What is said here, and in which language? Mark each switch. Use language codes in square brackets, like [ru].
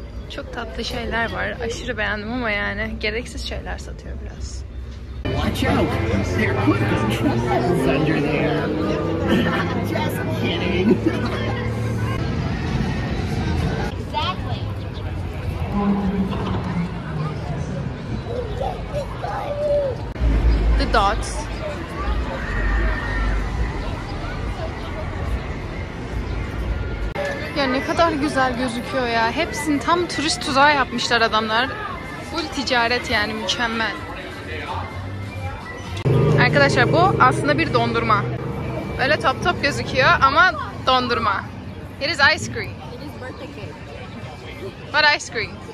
[tr] Çok tatlı şeyler var. Aşırı beğendim ama yani gereksiz şeyler satıyor biraz. Aç [en] joke. There could be truffles under there. Just kidding. Exactly. The dots. [tr] Ya ne kadar güzel gözüküyor ya. Hepsini tam turist tuzağı yapmışlar adamlar. Full ticaret yani, mükemmel. Arkadaşlar bu aslında bir dondurma. Böyle top top gözüküyor ama dondurma. [en] It is ice cream. It is birthday cake. What ice cream?